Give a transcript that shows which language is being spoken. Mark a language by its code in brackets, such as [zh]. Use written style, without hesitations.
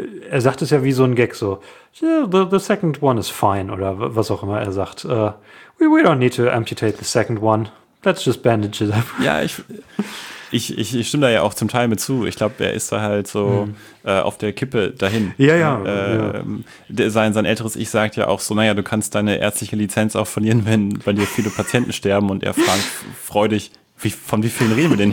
[de] Er sagt es ja wie so ein Gag so. [en] The second one is fine [de] oder was auch immer er sagt. [en] We don't need to amputate the second one. Let's just bandage it up. [de] Ja, ich stimme da ja auch zum Teil mit zu. Ich glaube, er ist da halt so auf der Kippe dahin. Ja, ja. Sein älteres Ich sagt ja auch so, naja, du kannst deine ärztliche Lizenz auch verlieren, wenn bei dir viele Patienten sterben. Und er fragt freudig, von wie vielen reden wir denn